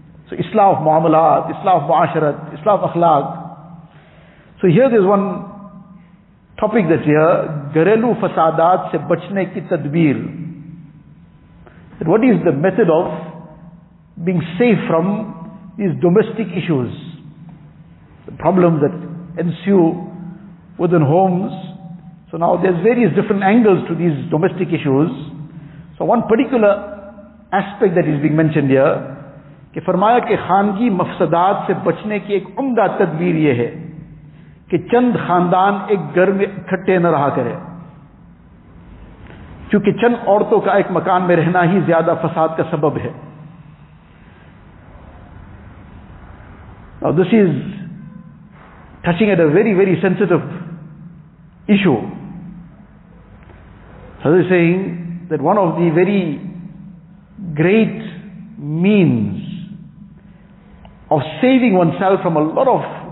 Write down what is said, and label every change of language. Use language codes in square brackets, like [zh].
[en] So Islaah of Muamalat, Islaah of Muasharat, Islaah of Akhlaq. So here there's one topic that's here, [ur] Garelu Fasadat Se Bachne Ki Tadbeer. [en] What is the method of being safe from these domestic issues? The problems that ensue within homes. So now there's various different angles to these domestic issues. So one particular aspect that is being mentioned here, [ur] کہ فرمایا کہ خانگی مفسدات سے بچنے کی ایک عمدہ تدبیر یہ ہے کہ چند خاندان ایک گھر میں اکٹھے نہ رہا کرے, کیونکہ چند عورتوں کا ایک مکان میں رہنا ہی زیادہ فساد کا سبب ہے. [en] Now this is touching at a very very sensitive issue. So they're saying that one of the very great means of saving oneself from a lot of